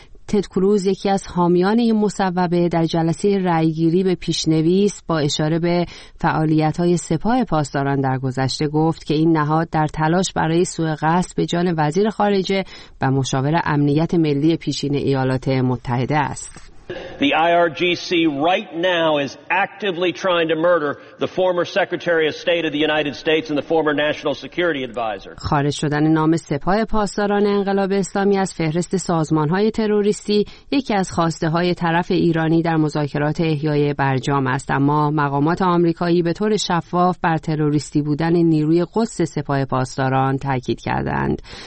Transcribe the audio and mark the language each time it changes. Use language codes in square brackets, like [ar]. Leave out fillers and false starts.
[fa] تد کروز، یکی از حامیان این مصوبه، در جلسه رأی‌گیری به پیشنویس با اشاره به فعالیت‌های سپاه پاسداران در گذشته گفت که این نهاد در تلاش برای سوء قصد به جان وزیر خارجه و مشاور امنیت ملی پیشین ایالات متحده است. [en] The IRGC right now is actively trying to murder the former Secretary of State of the United States and the former National Security Advisor. [fa] خارج شدن نام سپاه پاسداران انقلاب اسلامی از فهرست سازمان‌های تروریستی یکی از خواسته‌های طرف ایرانی در مذاکرات احیای برجام است، اما مقامات آمریکایی به طور شفاف بر تروریستی بودن نیروی قدس سپاه پاسداران تاکید کردند.